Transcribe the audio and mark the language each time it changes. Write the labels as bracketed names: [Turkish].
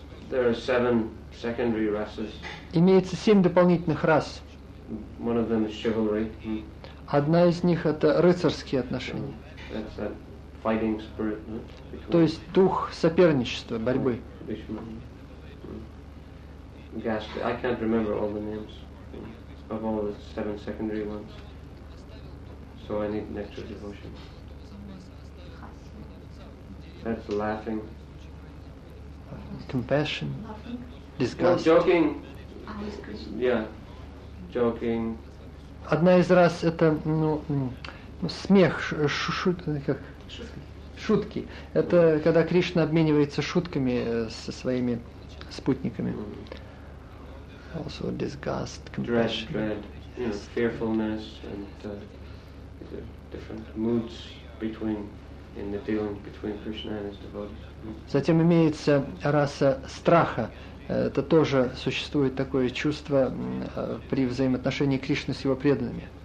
[English] There are seven secondary races. [Russian] Имеется семь дополнительных рас. [English] One of them is chivalry. [Russian] Одна из них это рыцарские отношения. [English] That's that fighting spirit, no? [Russian] То есть дух соперничества, борьбы. [English] I can't remember all the names of all the seven secondary ones. So I need nectar devotion. That's laughing. Compassion. Disgust. No, joking. Yeah. Joking. [Russian] Одна из раз это смех, шутки. Это когда Кришна обменивается шутками со своими спутниками. [English] Also disgust, compassion. Dread, fearfulness and different moods between in the dealing between Krishna and his devotees. [Russian] Затем имеется раса страха. Это тоже существует такое чувство при взаимоотношении Кришны с его преданными.